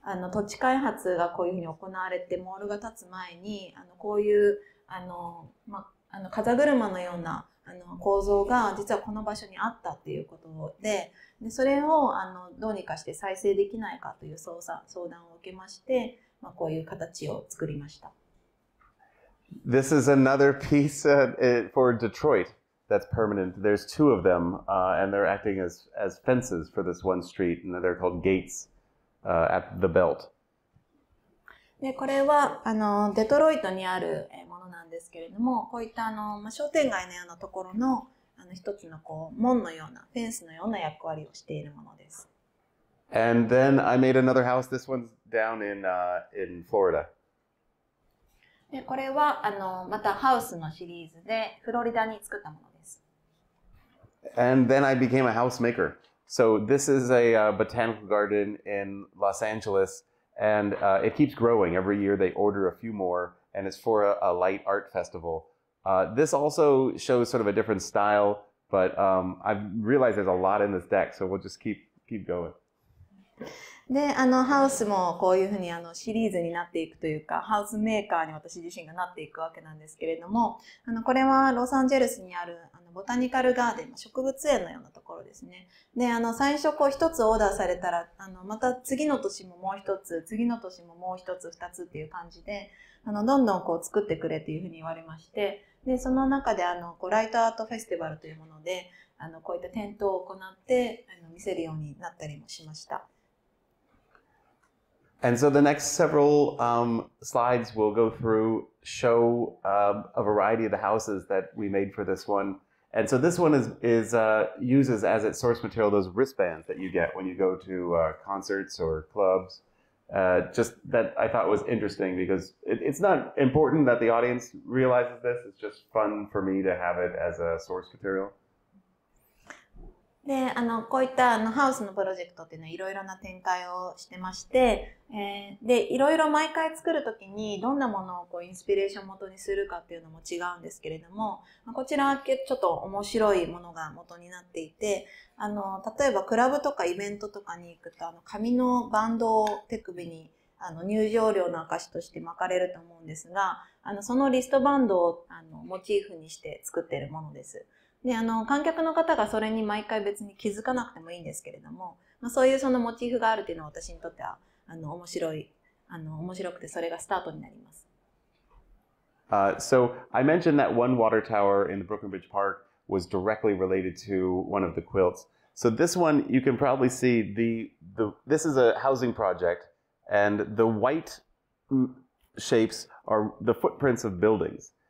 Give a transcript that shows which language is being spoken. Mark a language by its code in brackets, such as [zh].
[ja] 土地開発がこういうふうに行われてモールが建つ前にこういう風車のような構造が実はこの場所にあったっていうことで、でそれをどうにかして再生できないかという相談を受けまして、こういう形を作りました。 [en] This is another piece for Detroit that's permanent. There's two of them, and they're acting as fences for this one street, and they're called gates. At the belt. [ja] でこれはデトロイトにあるものなんですけれども、こういった商店街のようなところの一つのこう門のようなフェンスのような役割をしているものです。 [en] And then I made another house. This one's down in Florida. [ja] でこれはまたハウスのシリーズでフロリダに作ったものです。 [en] And then I became a housemaker. So this is a botanical garden in Los Angeles, and it keeps growing. Every year they order a few more, and it's for a light art festival. This also shows sort of a different style, but I've realized there's a lot in this deck, so we'll just keep going. [ja] で、ハウスもこういうふうにシリーズになっていくというか、ハウスメーカーに私自身がなっていくわけなんですけれども、これはロサンゼルスにあるボタニカルガーデン、植物園のようなところですね。で、最初こう一つオーダーされたら、また次の年ももう一つ、次の年ももう一つ、二つっていう感じで、どんどんこう作ってくれというふうに言われまして、で、その中でこうライトアートフェスティバルというもので、こういった点灯を行って見せるようになったりもしました。 [en] And so the next several slides we'll go through show a variety of the houses that we made for this one. And so this one uses as its source material those wristbands that you get when you go to concerts or clubs. Just that I thought was interesting because it's not important that the audience realizes this. It's just fun for me to have it as a source material. [ja] でこういったハウスのプロジェクトっていうのはいろいろな展開をしてまして、でいろいろ毎回作るときにどんなものをこうインスピレーション元にするかっていうのも違うんですけれども、こちらはちょっと面白いものが元になっていて、例えばクラブとかイベントとかに行くと紙のバンドを手首に入場料の証として巻かれると思うんですが、そのリストバンドをモチーフにして作っているものです。で観客の方がそれに毎回別に気づかなくてもいいんですけれども、そういうそのモチーフがあるというのは私にとっては面白い、面白くてそれがスタートになります。 [en] So I mentioned that one water tower in the Brooklyn Bridge Park was directly related to one of the quilts. So this one you can probably see this is a housing project and the white shapes are the footprints of buildings.